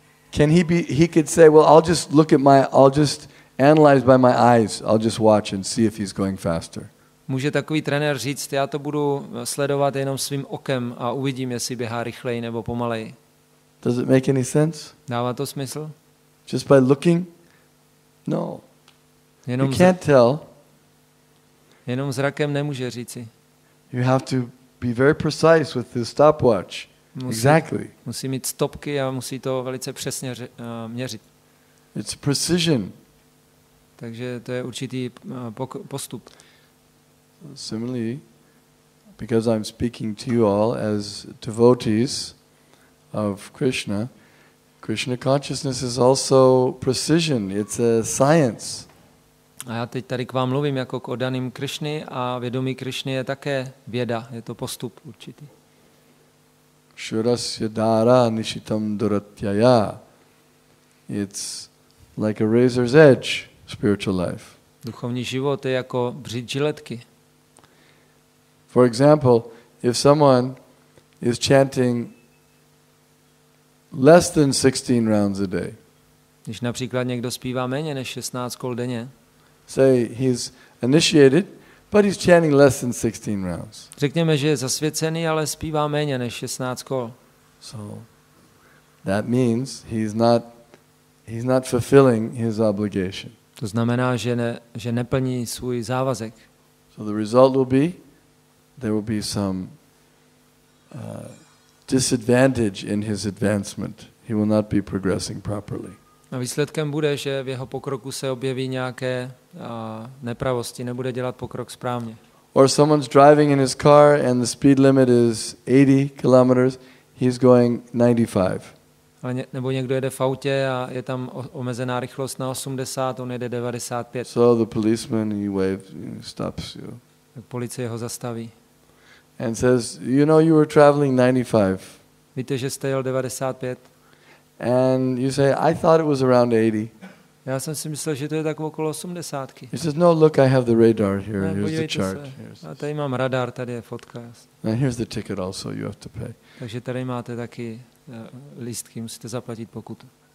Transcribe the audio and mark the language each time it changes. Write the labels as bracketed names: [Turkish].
[English] can he say, well, I'll just look at my, I'll just analyze by my eyes, I'll just watch and see if he's going faster. [Czech] Může takový trenér říct, já to budu sledovat jenom svým okem a uvidím, jestli běhá rychleji nebo pomaleji. [English] Does it make any sense? [Czech] Dává to smysl? [English] Just by looking? No. [Czech] Jenom [English] you can't tell. [Czech] Jenom zrakem nemůže říci. [English] You have to be very precise with the stopwatch. Exactly. [Czech] Musí mít stopky a musí to velice přesně měřit. [English] It's precision. [Czech] Takže to je určitý postup. [English] Similarly, because I'm speaking to you all as devotees of Krishna, Krishna consciousness is also precision. It's a science. [Czech] A já teď tady k vám mluvím jako k oddaným Krišny a vědomí Krišny je také věda, je to postup určitý. [Sanskrit] Shurasya dara nishitam duratyaya. [English] It's like a razor's edge, spiritual life. [Czech] Duchovní život je jako břit žiletky. [English] For example, if someone is chanting less than 16 rounds a day. [Czech] Když například někdo zpívá méně než 16 kol denně. [English] Say he's initiated, but he's chanting less than 16 rounds. [Czech] Řekněme, že je zasvěcený, ale zpívá méně než 16 kol. [English] So that means he's not fulfilling his obligation. [Czech] To znamená, že neplní svůj závazek. [English] So the result will be there will be some disadvantage in his advancement. He will not be progressing properly. [Czech] A výsledkem bude, že v jeho pokroku se objeví nějaké nepravosti, nebude dělat pokrok správně. [English] Or someone's driving in his car and the speed limit is 80 kilometers, he's going 95. [Czech] Nebo někdo jede v autě a je tam omezená rychlost na 80, on jede 95. [English] So the policeman, he waves, he stops you. [Czech] Tak policie ho zastaví. [English] And says, you know, you were traveling 95. [Czech] Víte, že jste jel 95. [English] And you say, I thought it was around 80. [Czech] Já jsem si myslel, že to je tak okolo 80. [English] He says, no, look, I have the radar here. [Czech] Ne, [English] here's the chart. [Czech] A tady mám radar, tady je fotka. [English] And here's the ticket also, you have to pay. [Czech] Takže tady máte taky lístky, musíte zaplatit pokutu.